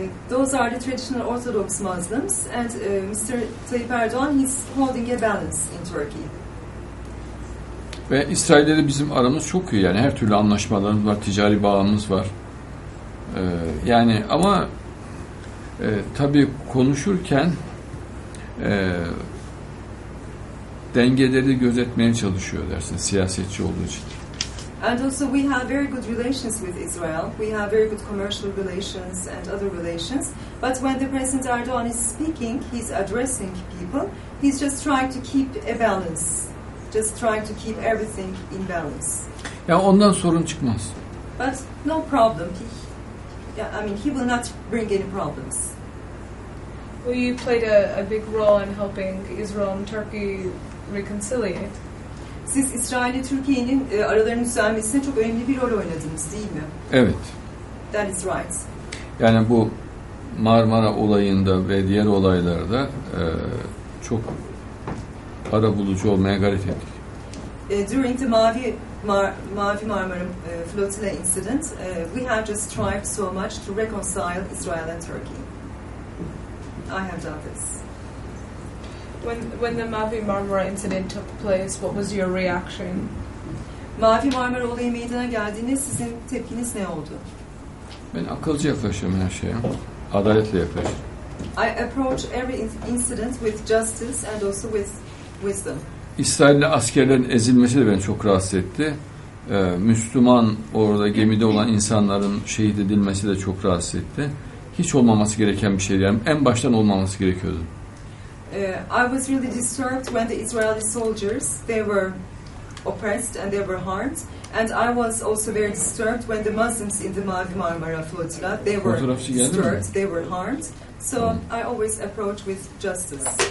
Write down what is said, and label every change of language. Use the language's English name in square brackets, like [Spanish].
[English] Those are the traditional Orthodox Muslims and Mr. Tayyip Erdoğan, he's holding a balance in Turkey. [Turkish] Ve İsrail'de de bizim aramız çok iyi, yani her türlü anlaşmalarımız var, ticari bağımız var. Yani ama tabii konuşurken dengeleri gözetmeye çalışıyor dersin, siyasetçi olduğu için. [English] And also we have very good relations with Israel. We have very good commercial relations and other relations. But when the President Erdoğan is speaking, he's addressing people. He's just trying to keep a balance. Just trying to keep everything in balance. [Turkish] Ya yani ondan sorun çıkmaz. [English] But no problem. He will not bring any problems. Well, you played a big role in helping Israel and Turkey reconciliate. [Turkish] Siz İsrail ve Türkiye'nin aralarının düzelmesine çok önemli bir rol oynadınız, değil mi? Evet. [English] That is right. [Turkish] Yani bu Marmara olayında ve diğer olaylarda çok arabulucu olmaya gayret ettik. [English] During the Mavi Marmara flotilla incident, we have just tried so much to reconcile Israel and Turkey. I have done this. When the Mavi Marmara incident took place, what was your reaction? [Turkish] Mavi Marmara olayı meydana geldiğinde sizin tepkiniz ne oldu? Ben akılcı yaklaşıyorum her şeye. Adaletle yaklaşıyorum. [English] I approach every incident with justice and also with wisdom. [Turkish] İsrail'li askerlerin ezilmesi de beni çok rahatsız etti. Müslüman orada gemide olan insanların şehit edilmesi de çok rahatsız etti. Hiç olmaması gereken bir şey diyorum. En baştan olmaması gerekiyordu. [English] I was really disturbed when the Israeli soldiers, they were oppressed and they were harmed. And I was also very disturbed when the Muslims in the Mavi Marmara flotilla, they were disturbed, they were harmed. So I always approach with justice.